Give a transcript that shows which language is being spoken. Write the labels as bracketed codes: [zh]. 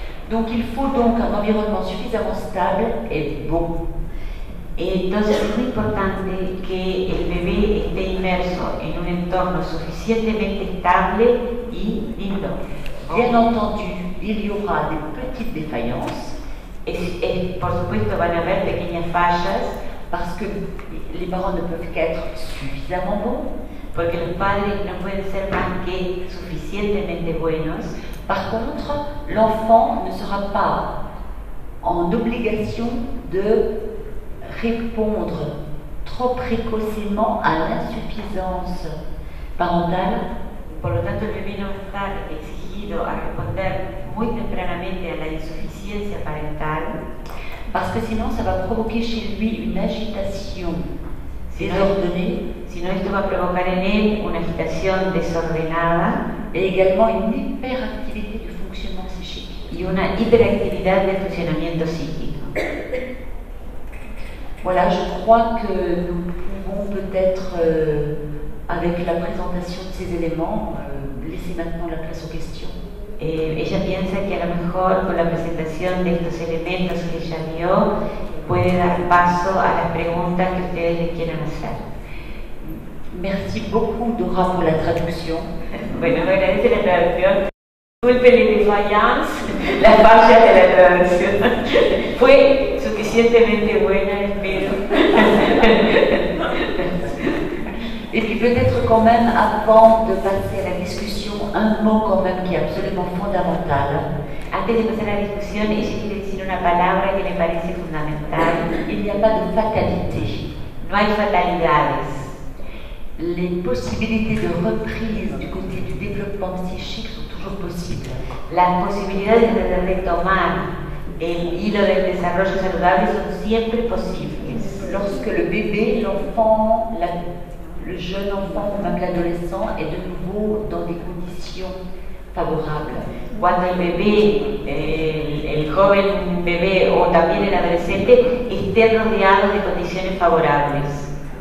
[fr] Donc il faut donc un environnement suffisamment stable et bon. [es] Entonces es muy importante que el bebé esté inmerso en un entorno suficientemente estable y lindo. [fr] Bien entendu, il y aura des petites défaillances. [es] Por supuesto, van a haber pequeñas fallas, [fr] parce que les parents ne peuvent qu'être suffisamment bons, [es] porque los padres no pueden ser más que suficientemente buenos. [fr] Par contre, l'enfant ne sera pas en obligation de répondre trop précocement à l'insuffisance parentale. [es] Por lo tanto, el bebé no va a estar exigido a responder muy tempranamente a la insuficiencia parental. [fr] Parce que sinon, ça va provoquer chez lui une agitation désordonnée. [es] Sinon, esto va a provocar en él una agitación desordenada. [fr] Et également une hyperactivité du fonctionnement psychique. [es] Y una hiperactividad del funcionamiento psíquico. [fr] Voilà, je crois que nous pouvons peut-être, avec la présentation de ces éléments, laisser maintenant la place aux questions. [es] Ella piensa que a lo mejor con la presentación de estos elementos que ella dio puede dar paso a las preguntas que ustedes le quieran hacer. [fr] Merci beaucoup, Dora, [es] por la traducción. Bueno, me agradece la traducción. Disculpe la défaillance, la falla de la traducción. Fue suficientemente buena, espero. [fr] Et puis peut-être quand même, avant de passer à la discussion, un mot quand même qui est absolument fondamental. [es] Antes de [fr] passer à la discussion, je [es] quiero decir una palabra que me parece fundamental. [fr] Il n'y a pas de fatalité. [es] No hay fatalidades. [fr] Les possibilités de reprise du côté du développement psychique sont toujours possibles. [es] Las posibilidades de retomar el hilo del desarrollo saludable sont siempre posibles. [fr] Lorsque le bébé, l'enfant, le jeune enfant ou même l'adolescent est de nouveau dans des conditions favorables. [es] Cuando el bebé, el joven bebé o también el adolescente esté rodeado de condiciones favorables.